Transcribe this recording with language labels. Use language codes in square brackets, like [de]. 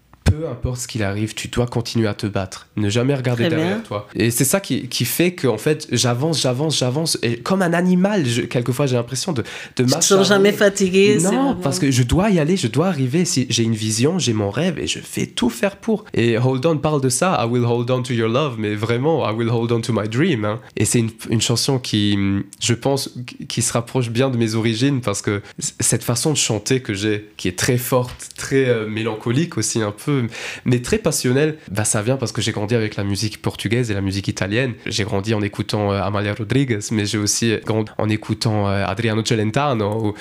[fr] peu importe ce qu'il arrive, tu dois continuer à te battre. Ne jamais regarder très derrière bien. Toi. Et c'est ça qui fait que, en fait, j'avance. Et comme un animal, quelquefois, j'ai l'impression de m'acharner. Tu ne seras jamais fatigué. Non, parce que je dois y aller, je dois arriver. Si j'ai une vision, j'ai mon rêve et je vais tout faire pour. Et Hold On parle de ça. [en] I will hold on to your love. [fr] Mais vraiment, [en] I will hold on to my dream. Hein. [fr] Et c'est une chanson qui, je pense, qui se rapproche bien de mes origines parce que cette façon de chanter que j'ai, qui est très forte, très mélancolique aussi un peu, mais très passionnelle, bah ça vient parce que j'ai grandi avec la musique portugaise et la musique italienne. J'ai grandi en écoutant Amália Rodrigues, mais j'ai aussi grandi en écoutant Adriano Celentano.